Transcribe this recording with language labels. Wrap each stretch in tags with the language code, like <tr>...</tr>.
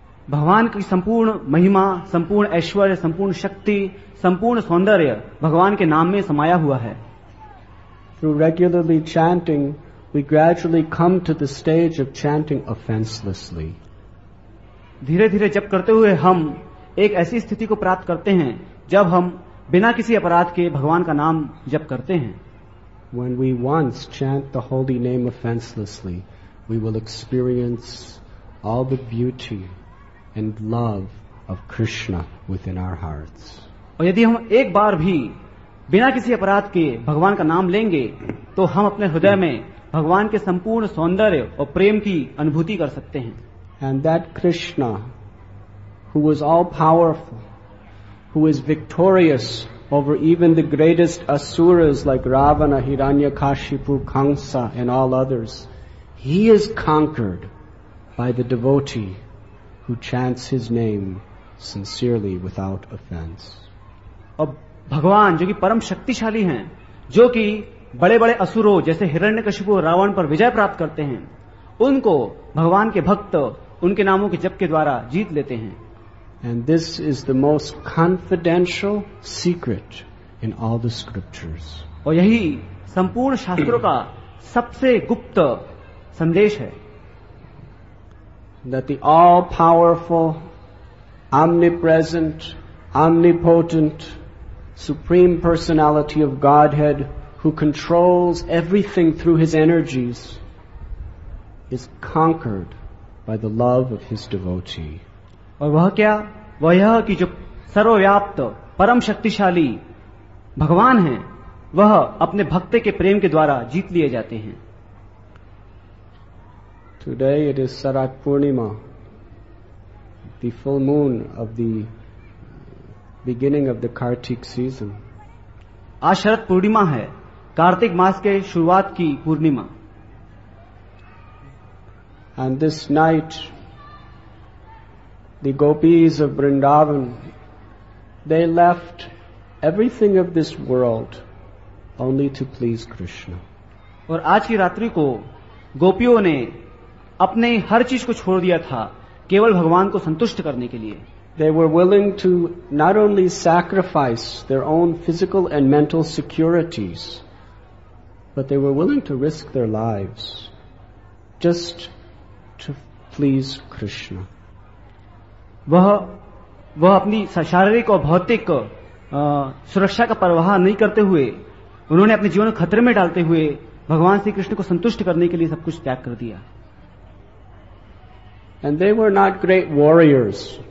<hi>भगवान की संपूर्ण महिमा संपूर्ण ऐश्वर्य संपूर्ण शक्ति संपूर्ण सौंदर्य भगवान के नाम में समाया हुआ है.</hi> <en>Through regularly chanting, we gradually come to the stage of chanting offenselessly.</en> <hi>धीरे धीरे जप करते हुए हम एक ऐसी स्थिति को प्राप्त करते हैं जब हम बिना किसी अपराध के भगवान का नाम जप करते हैं.</hi> <en>When we once chant the holy name offenselessly, we will experience all the beauty and love of Krishna within our hearts.</en> <hi>और यदि हम एक बार भी बिना किसी अपराध के भगवान का नाम लेंगे तो हम अपने हृदय में भगवान के संपूर्ण सौंदर्य और प्रेम की अनुभूति कर सकते हैं.</hi> <en>And that Krishna, who is all powerful, who is victorious over even the greatest asuras like Ravana, Hiranyakashipu, Kamsa and all others, he is conquered by the devotee who chants his name sincerely without offense.</en> <hi>अब भगवान जो कि परम शक्तिशाली हैं जो कि बड़े बड़े असुरों जैसे हिरण्यकशिपु रावण पर विजय प्राप्त करते हैं उनको भगवान के भक्त उनके नामों के जप के द्वारा जीत लेते हैं.</hi> <en>And this is the most confidential secret in all the scriptures.</en> <hi>और यही संपूर्ण शास्त्रों का सबसे गुप्त संदेश है.</hi> <en>That the all-powerful, omnipresent, omnipotent, supreme personality of Godhead who controls everything through His energies is conquered by the love of His devotee.</en> <hi>और वह क्या? वह यह कि जो सर्वव्याप्त परम शक्तिशाली भगवान हैं वह अपने भक्त के प्रेम के द्वारा जीत लिए जाते हैं.</hi> <en>Today it is Sarat Purnima, the full moon of the beginning of the Kartik season.</en> <hi>आज शरद पूर्णिमा है कार्तिक मास के शुरुआत की पूर्णिमा.</hi> <en>And this night the gopis of Vrindavan, they left everything of this world only to please Krishna.</en> <hi>और आज की रात्रि को गोपियों ने अपने हर चीज को छोड़ दिया था केवल भगवान को संतुष्ट करने के लिए.</hi> <en>They were willing to not only sacrifice their own physical and mental securities, but they were willing to risk their lives just to please Krishna.</en> <hi>वह अपनी शारीरिक और भौतिक सुरक्षा का परवाह नहीं करते हुए उन्होंने अपने जीवन को खतरे में डालते हुए भगवान श्री कृष्ण को संतुष्ट करने के लिए सब कुछ त्याग कर दिया.</hi> <en>and they were not great warriors,</en>